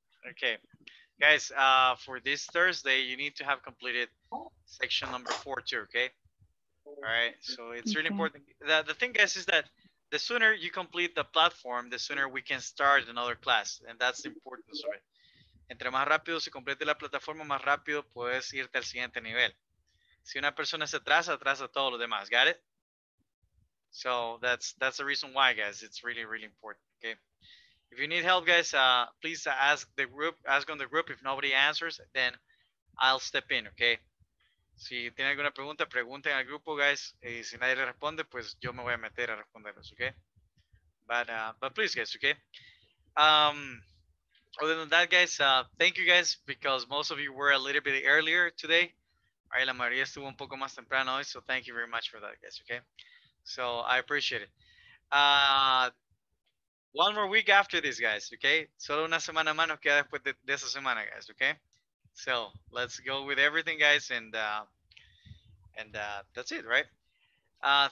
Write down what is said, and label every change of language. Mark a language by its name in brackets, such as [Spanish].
[English] Okay, guys. For this Thursday, you need to have completed section number 4 too. Okay. All right. So it's really important. The thing, guys, is that the sooner you complete the platform, the sooner we can start another class, and that's the importance of it. [Spanish] Entre más rápido se complete la plataforma, más rápido puedes irte al siguiente nivel. Si una persona se atrasa, atrasa todo lo demás. [English] Got it? So that's the reason why, guys. It's really, really important. Okay. If you need help, guys, please ask the group. Ask on the group. If nobody answers, then I'll step in. Okay. [Spanish] Si tiene alguna pregunta, pregunten al grupo, guys. Y si nadie le responde, pues yo me voy a meter a responderlos. [English] Okay. But please, guys. Okay. Other than that, guys, thank you, guys, because most of you were a little bit earlier today. [Spanish] Ay, la mayoría estuvo un poco más temprano hoy, [English] so thank you very much for that, guys, okay? So I appreciate it. One more week after this, guys, okay? [Spanish] Solo una semana más nos queda después de esa semana, guys, okay? [English] So let's go with everything, guys, and that's it, right?